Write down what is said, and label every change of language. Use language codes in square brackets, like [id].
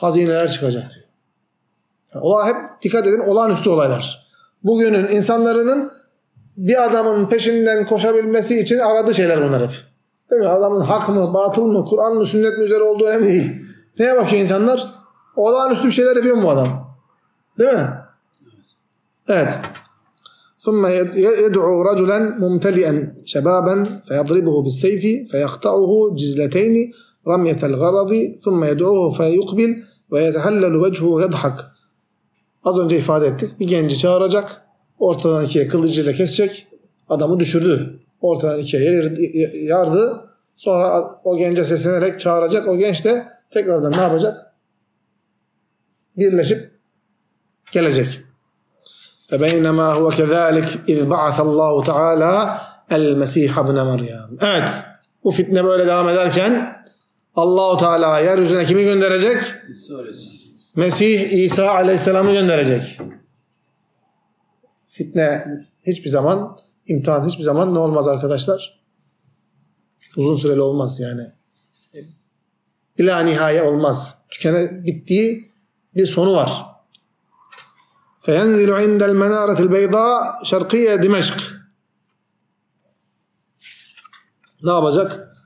[tr] Hazineler çıkacak diyor. Olay hep dikkat edin olağanüstü olaylar. Bugünün insanların bir adamın peşinden koşabilmesi için aradığı şeyler bunlar hep. Değil mi? Adamın hak mı, batıl mı, Kur'an mı, sünnet mi üzere olduğu önemli değil. Neye bakıyor insanlar? Olağanüstü bir şeyler yapıyor mu bu adam? Değil mi? Evet. [ar] ثُمَّ يَدْعُوا رَجُلًا مُمْتَلِئًا شَبَابًا فَيَضْرِبُهُ بِالسَّيْفِ فَيَقْطَعُهُ جِزْلَتَيْنِ رَمْيَةَ الْغَرَضِ ثُمَّ يَدْعُوهُ فَيُقْبِلْ وَيَتَحَلَّلُ وَجْهُ يَضْحَكْ [tr] Az önce ifade ettik. Bir genci çağıracak. Ortadan ikiye kılıcıyla kesecek. Adamı düşürdü. Ortadan ikiye yardı. Sonra o gence seslenerek çağıracak. O genç de tekrardan ne yapacak? Birleşip gelecek. [ar] فَبَيْنَمَا هُوَ كَذَٰلِكْ اِذْ بَعَثَ اللّٰهُ تَعَالَى الْمَس۪يحَ بْنَ مَرْيَامِ [tr] Evet. Bu fitne böyle devam ederken Allah-u Teala yeryüzüne kimi gönderecek? Mesih İsa Aleyhisselam'ı gönderecek. Fitne hiçbir zaman, imtihan hiçbir zaman ne olmaz arkadaşlar? Uzun süreli olmaz yani. İla nihaye olmaz. Tükene bittiği bir sonu var. [ar] فَيَنْزِلُ عِنْدَ الْمَنَارَةِ الْبَيْضَاءِ شَرْقِيَ دِمَشْقِ [tr] Ne yapacak?